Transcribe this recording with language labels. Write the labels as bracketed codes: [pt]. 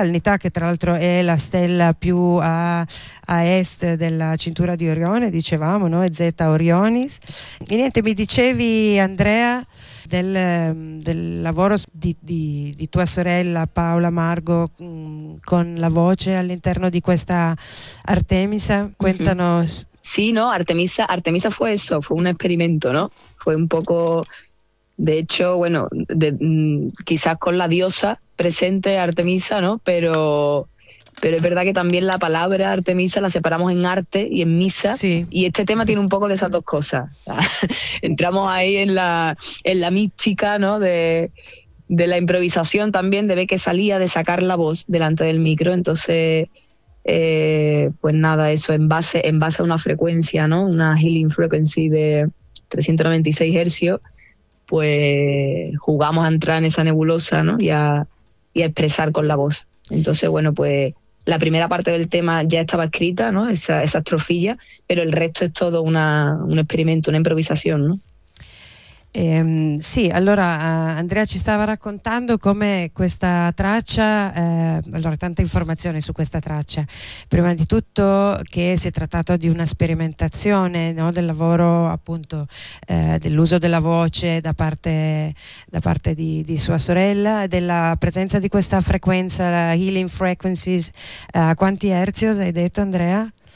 [it] Al Nitak, che tra l'altro è la stella più a est della cintura di Orione, dicevamo, no? Zeta Orionis. E niente, mi dicevi, Andrea, del lavoro di tua sorella Paola Margo con la voce all'interno di questa Artemisa. [es] Cuéntanos. Sì, no, Artemisa fue eso, fue un experimento, ¿no? Fue un poco, de hecho, bueno, quizás con la diosa presente Artemisa, ¿no? Pero es verdad que también la palabra Artemisa la separamos en arte y en misa. Sí. Y este tema tiene un poco de esas dos cosas. Entramos ahí en la mística, ¿no? De la improvisación también, de ver que salía, de sacar la voz delante del micro. Entonces, pues nada, eso en base a una frecuencia, ¿no? Una [en] healing frequency [es] de 396 hercios, pues jugamos a entrar en esa nebulosa, ¿no? Y a expresar con la voz. Entonces, bueno, pues la primera parte del tema ya estaba escrita, ¿no? Esa estrofilla, pero el resto es todo un experimento, una improvisación, ¿no? [it] Sì, allora Andrea ci stava raccontando come questa traccia, allora tanta informazione su questa traccia. Prima di tutto che si è trattato di una sperimentazione, no, del lavoro appunto dell'uso della voce da parte di sua sorella, della presenza di questa frequenza, la [en] healing frequencies, [it] quanti hertz hai detto, Andrea?